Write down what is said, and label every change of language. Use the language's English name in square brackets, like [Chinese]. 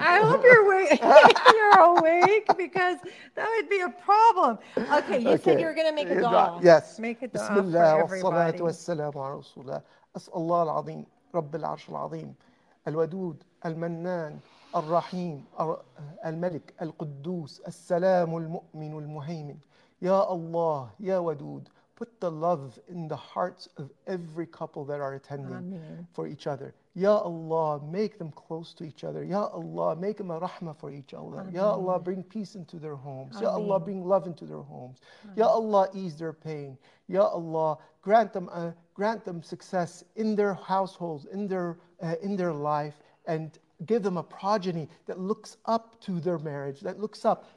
[English] I hope you're awake, because that would be a problem. Okay, said you're going to make a dua. Yes. Make a dua. Bismillah, for everybody. [Arabic] Salatu wassalamu ala Rasulullah. أسأل الله العظيم رب العرش العظيم الودود المنان الرحيم الملك القدوس السلام المؤمن المهيمن يا الله يا ودود. [English] Put the love in the hearts of every couple that are attending Amen. For each other. Ya Allah, make them close to each other. Ya Allah, make them a rahmah for each other. Amen. Ya Allah, bring peace into their homes. Amen. Ya Allah, bring love into their homes. Amen. Ya Allah, ease their pain. Ya Allah, grant them success in their households, in their life, and give them a progeny that looks up to their marriage, that looks up.